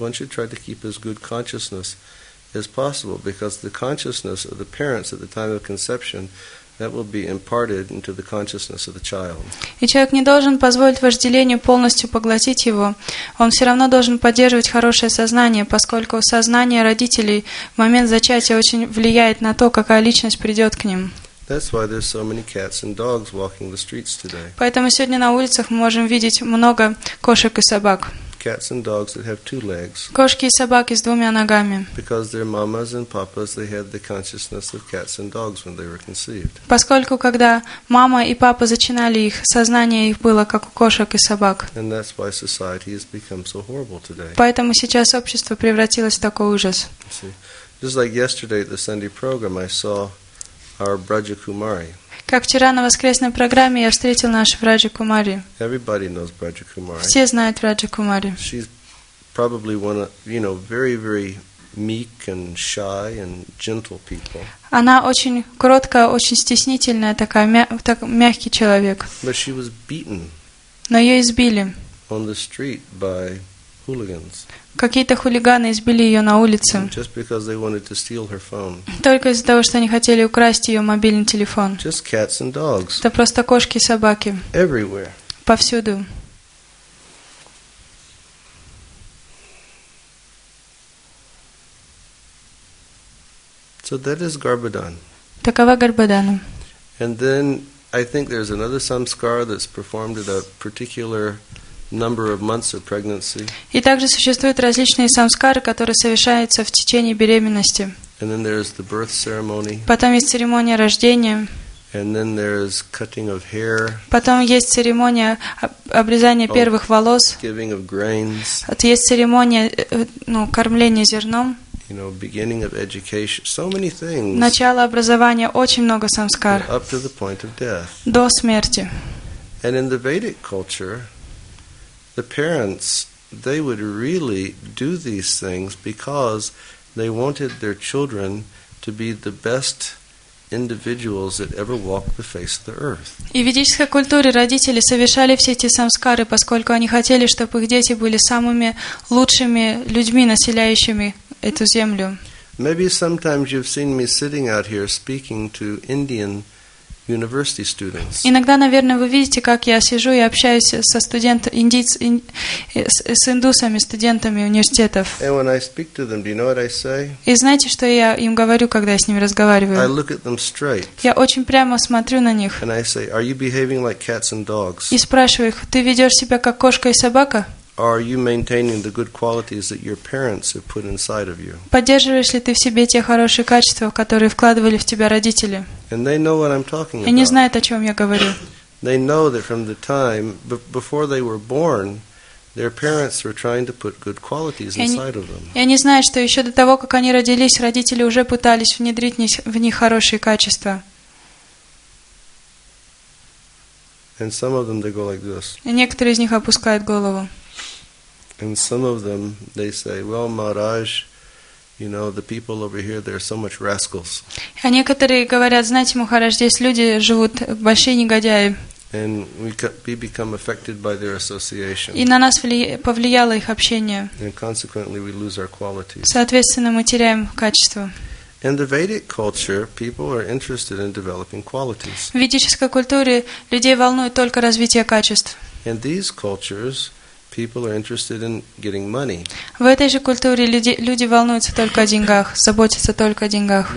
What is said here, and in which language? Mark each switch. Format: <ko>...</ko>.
<en>One should try to keep his good consciousness as possible, because the consciousness of the parents at the time of conception, that will be imparted into the consciousness of the child.</en> <ru>И человек не должен позволить вожделению полностью поглотить его. Он все равно должен поддерживать хорошее сознание, поскольку сознание родителей в момент зачатия очень влияет на то, какая личность придет к ним.</ru> <en>That's why there's so many cats and dogs walking the streets today.</en> <ru>Поэтому сегодня на улицах мы можем видеть много кошек и собак.</ru> <en>Cats and dogs that have two legs.</en> <ru>Кошки и собаки с двумя ногами.</ru> <en>Because their mamas and papas, they had the consciousness of cats and dogs when they were conceived.</en> <ru>Поскольку когда мама и папа зачинали их, сознание их было как у кошек и собак.</ru> <en>And that's why society has become so horrible today.</en> <ru>Поэтому сейчас общество превратилось в такой ужас.</ru> <en>Just like yesterday at the Sunday program, I saw our Braja Kumari.</en> <ru>Как вчера на воскресной программе я встретил нашу Враджа Кумари.</ru> <en>Everybody knows Braja Kumari.</en> <ru>Все знают Враджа Кумари.</ru> <en>She's probably one of, you know, very, very meek and shy and gentle people.</en> <ru>Она очень кроткая, очень стеснительная, такая мягкий человек.</ru> <en>But she was beaten.</en> <ru>Но ее избили.</ru> <en>On the street by hooligans.</en> <ru>Какие-то хулиганы избили ее на улице.</ru> <en>Just because they wanted to steal her phone.</en> <ru>Только из-за того, что они хотели украсть ее мобильный телефон.</ru> <en>Just cats and dogs.</en> <ru>Это просто кошки и собаки.</ru> <en>Everywhere.</en> <ru>Повсюду.</ru> <en>So that is Garbhodan.</en> <ru>Такова Garbhodana.</ru> <en>And then I think there's another samskara that's performed at a particular number of months of pregnancy.</en> <ru>И также существуют различные самскары, которые совершаются в течение беременности.</ru> <en>And then there's the birth ceremony.</en> <ru>Потом есть церемония рождения.</ru> <en>And then there's cutting of hair.</en> <ru>Потом есть церемония обрезания первых волос.</ru> <en>Giving of grains.</en> <ru>Это есть церемония, ну, кормления зерном.</ru> <en>You know, beginning of education, so many things.</en> <ru>Начало образования, очень много самскар.</ru> <en>Up to the point of death.</en> <ru>До смерти.</ru> <en>And in the Vedic culture, the parents, they would really do these things because they wanted their children to be the best individuals that ever walked the face of the earth.</en> <ru>И в ведической культуре родители совершали все эти самскары, поскольку они хотели, чтобы их дети были самыми лучшими людьми, населяющими эту землю.</ru> <en>Maybe sometimes you've seen me sitting out here speaking to Indian university students.</en> <ru>Иногда, наверное, вы видите, как я сижу и общаюсь со студентами, с индусами, студентами университетов.</ru> <en>And when I speak to them, do you know what I say?</en> <ru>И знаете, что я им говорю, когда я с ними разговариваю?</ru> <en>I look at them straight.</en> <ru>Я очень прямо смотрю на них.</ru> <en>And I say, are you behaving like cats and dogs?</en> <ru>И спрашиваю их, ты ведешь себя как кошка и собака?</ru> <en>Are you maintaining the good qualities that your parents have put inside of you?</en> <ru>Поддерживаешь ли ты в себе те хорошие качества, которые вкладывали в тебя родители?</ru> <en>And they know what I'm talking</en> <ru>about. Они знают, о чем я говорю.</ru> <en>They know that from the time before they were born, their parents were trying to put good qualities inside of them.</en> <ru>И они знают, что еще до того, как они родились, родители уже пытались внедрить в них хорошие качества.</ru> <en>And some of them they go like this.</en> <ru>И некоторые из них опускают голову.</ru> <en>And some of them, they say, well, Maharaj, you know, the people over here, they're so much rascals.</en> <ru>А некоторые говорят, знаете, Махарадж, здесь люди живут большие негодяи.</ru> <en>And we become affected by their association.</en> <ru>И на нас повлияло их общение.</ru> <en>And consequently, we lose our qualities.</en> <ru>Соответственно, мы теряем качество.</ru> <en>In the Vedic culture, people are interested in developing qualities.</en> <ru>В ведической культуре людей волнует только развитие качеств.</ru> <en>In these cultures, people are interested in getting money.</en> <ru>В этой же культуре люди волнуются только о деньгах, заботятся только о деньгах.</ru>